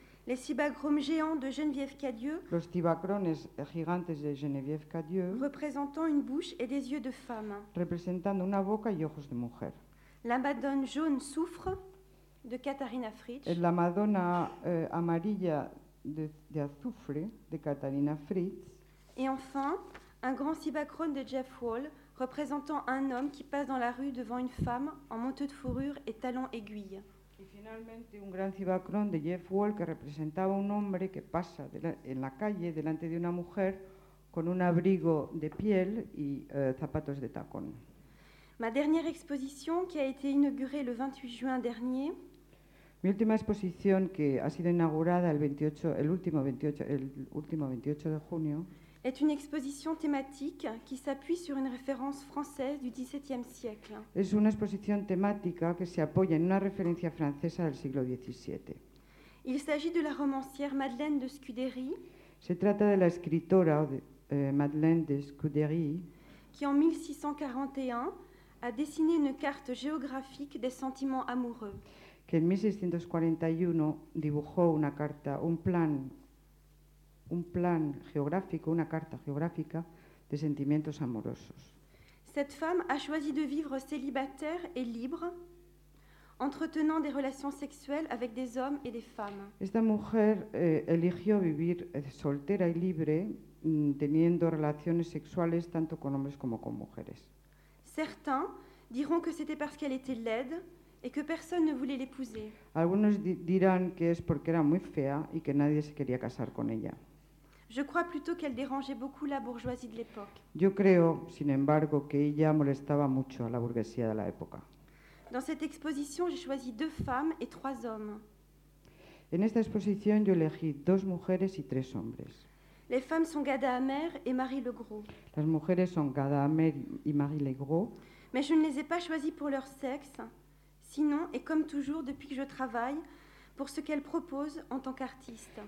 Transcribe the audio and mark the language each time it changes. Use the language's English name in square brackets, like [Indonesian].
[French] Les sibagrums géants de Geneviève Cadieux. [Spanish] Los tibacrones gigantes de Geneviève Cadieux. [French] Representant une bouche et des yeux de femme. [Spanish] Representando una boca y ojos de mujer. [French] La Madone jaune souffre de Katharina Fritsch. [Spanish] La Madonna amarilla de azufre de Katharina Fritsch. [French] Et enfin, un grand sibacrone de Jeff Wall représentant un homme qui passe dans la rue devant une femme en manteau de fourrure et talons aiguilles. [Spanish] Y finalmente un gran cibacrón de Jeff Wall que representaba un hombre que pasa en la calle delante de una mujer con un abrigo de piel y zapatos de tacón. [French] Ma dernière exposition qui a été inaugurée le 28 juin dernier. [Spanish] Mi última exposición que ha sido inaugurada el último 28 de junio. [French] Est une exposition thématique qui s'appuie sur une référence française du XVIIe siècle. [Spanish] Es una exposición temática que se apoya en una referencia francesa del siglo XVII. [French] Il s'agit de la romancière Madeleine de Scudéry. [Spanish] Se trata de la escritora Madeleine de Scudéry, [French] qui en 1641 a dessiné une carte géographique des sentiments amoureux. [Spanish] Que en 1641 dibujó una carta, un plan geográfico, una carta geográfica de sentimientos amorosos. [French] Cette femme a choisi de vivre célibataire et libre, entretenant des relations sexuelles avec des hommes et des femmes. [Spanish] Esta mujer eligió vivir soltera y libre, teniendo relaciones sexuales tanto con hombres como con mujeres. [French] Certains diront que c'était parce qu'elle était laide et que personne ne voulait l'épouser. [Spanish] Algunos dirán que es porque era muy fea y que nadie se quería casar con ella. [French] Je crois plutôt qu'elle dérangeait beaucoup la bourgeoisie de l'époque. [Spanish] Yo creo, sin embargo, que ella molestaba mucho a la burguesía de la época. [French] Dans cette exposition, j'ai choisi deux femmes et trois hommes. [Spanish] En esta exposición yo elegí dos mujeres y tres hombres. [French] Les femmes sont Gada Amer et Marie Le Gros. [Spanish] Las mujeres son Gada Amer y Marie Le Gros. [French] Mais je ne les ai pas choisies pour leur sexe, sinon, et comme toujours depuis que je travaille, pour ce qu'elle propose en tant qu'artiste.